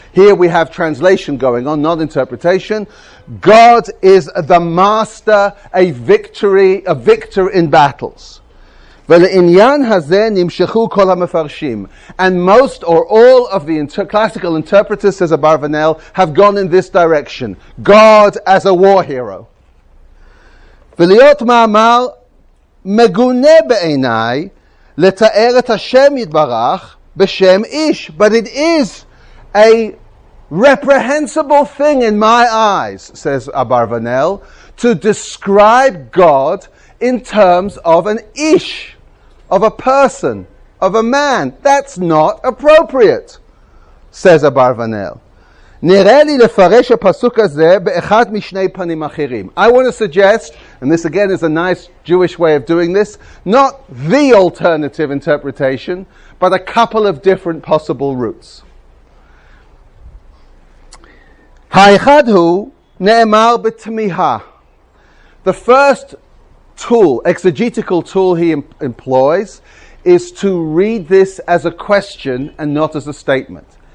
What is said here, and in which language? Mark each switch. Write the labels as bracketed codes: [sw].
[en] Here we have translation going on, not interpretation. God is the master, a victor in battles. [he] Ve'le'inyan hazeh nimshechu kol ha'mefarshim. [en] And most or all of the classical interpreters, says Abarvanel, have gone in this direction. God as a war hero. [he] Ve'le'ot ma'amal megune be'enai, לתאר את השם יתברך בשם איש. [en] But it is a reprehensible thing in my eyes, says Abarvanel, to describe God in terms of an ish, of a person, of a man. That's not appropriate, says Abarvanel. [he] נראה לי לפרש הפסוק הזה באחד משני פנים אחרים. [en] I want to suggest, and this again is a nice Jewish way of doing this, not the alternative interpretation, but a couple of different possible routes. [he] האחד הוא נאמר בתמיהה. [en] The first tool, exegetical tool he employs, is to read this as a question and not as a statement.